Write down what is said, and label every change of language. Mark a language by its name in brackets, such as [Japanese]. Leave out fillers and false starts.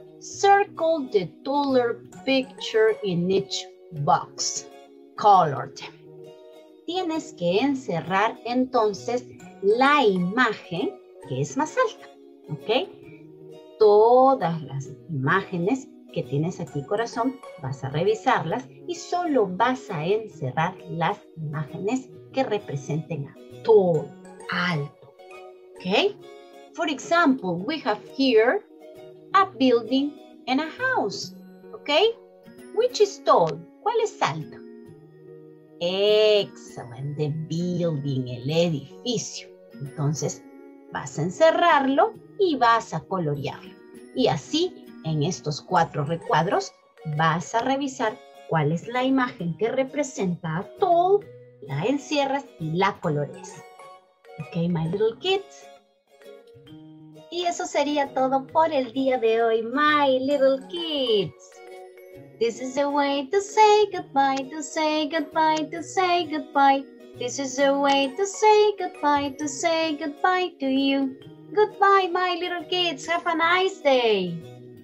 [English] Circle the taller picture in each box, colored. [Spanish] Tienes que encerrar entonces la imagen que es más alta, ¿ok? Todas las imágenes que tienes aquí, corazón, vas a revisarlas y solo vas a encerrar las imágenes que representen a tall, alto, ¿ok? [English] For example, we have here a building and a house, ¿ok? Which is tall? [Spanish] ¿Cuál es alto? [English] Excellent, the building, [Spanish] el edificio. Entonces, vas a encerrarlo y vas a colorearlo. Y así, en estos cuatro recuadros, vas a revisar cuál es la imagen que representa a tall, la encierras y la coloreas. [English] Ok, my little kids. [Spanish] Y eso sería todo por el día de hoy, [English] my little kids. This is the way to say goodbye, to say goodbye, to say goodbye. This is a way to say goodbye to you. Goodbye, my little kids. Have a nice day.